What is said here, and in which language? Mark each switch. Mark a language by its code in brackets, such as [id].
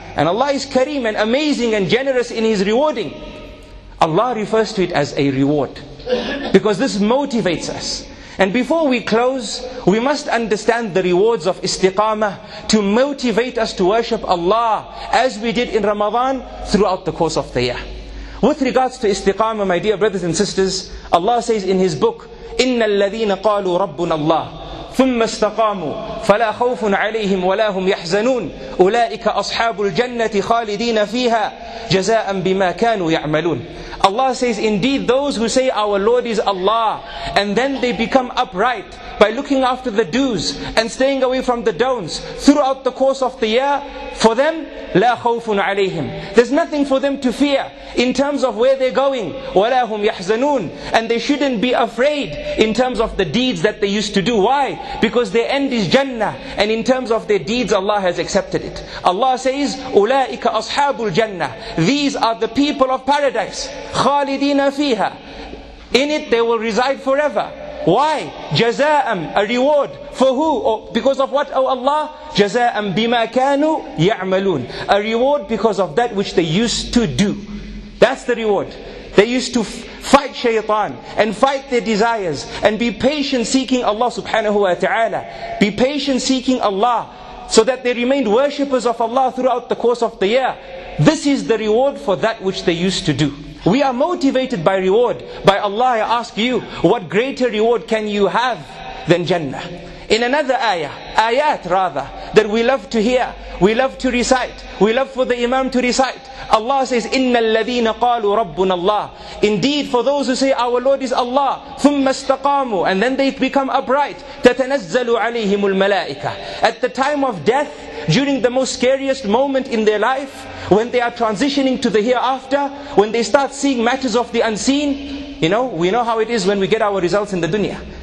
[en] And Allah is Kareem and amazing and generous in His rewarding. Allah refers to it as a reward. Because this motivates us. And before we close, we must understand the rewards of istiqamah to motivate us to worship Allah as we did in Ramadan throughout the course of the year. With regards to istiqamah, my dear brothers and sisters, Allah says in His book, [ar] إِنَّ الَّذِينَ قَالُوا رَبُّنَا اللَّهِ ثُمَّ اسْتَقَامُوا فَلَا خَوْفٌ عَلَيْهِمْ وَلَا هُمْ يَحْزَنُونَ أُولَٰئِكَ أَصْحَابُ الْجَنَّةِ خَالِدِينَ فِيهَا جَزَاءً بِمَا كَانُوا يَعْمَلُونَ. [en] Allah says, indeed those who say our Lord is Allah, and then they become upright by looking after the do's and staying away from the don'ts throughout the course of the year, for them, [ar] لَا خَوْفٌ عَلَيْهِمْ. [en] There's nothing for them to fear in terms of where they're going. [ar] وَلَا هُمْ يَحْزَنُونَ. [en] And they shouldn't be afraid in terms of the deeds that they used to do. Why? Because their end is Jannah. And in terms of their deeds, Allah has accepted it. Allah says, [ar] أُولَٰئِكَ أَصْحَابُ الْجَنَّةِ. [en] These are the people of paradise. [ar] خَالِدِينَ فِيهَا. [en] In it they will reside forever. Why? [ar] جَزَاءً. [en] A reward. For who? Oh, because of what, oh Allah? [ar] جَزَاءً بِمَا كَانُوا يَعْمَلُونَ. [en] A reward because of that which they used to do. That's the reward. They used to fight shaitan and fight their desires and be patient seeking Allah subhanahu wa ta'ala. Be patient seeking Allah so that they remained worshippers of Allah throughout the course of the year. This is the reward for that which they used to do. We are motivated by reward. By Allah, I ask you, what greater reward can you have than Jannah? In another ayah, ayat rather, that we love to hear, we love to recite, we love for the imam to recite. Allah says, [ar] إِنَّ الَّذِينَ قَالُوا رَبُّنَ اللَّهِ. [en] Indeed, for those who say our Lord is Allah, [ar] ثُمَّ اسْتَقَامُوا, [en] and then they become upright. [ar] تَتَنَزَّلُ عَلَيْهِمُ الْمَلَائِكَةِ. [en] At the time of death, during the most scariest moment in their life, when they are transitioning to the hereafter, when they start seeing matters of the unseen, you know, we know how it is when we get our results in the dunya.